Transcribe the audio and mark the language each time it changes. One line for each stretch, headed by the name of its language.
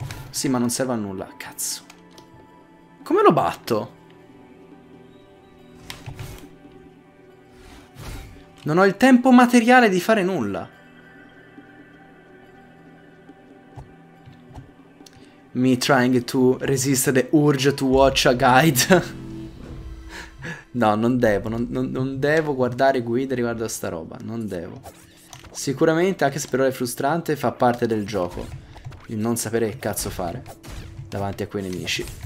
Italian: Sì, ma non serve a nulla. Cazzo. Come lo batto? Non ho il tempo materiale di fare nulla.
English: Me trying to resist the urge to watch a guide.
Italian: No, non devo. Non devo guardare guide riguardo a sta roba. Non devo. Sicuramente, anche se però è frustrante, fa parte del gioco. Il non sapere che cazzo fare davanti a quei nemici.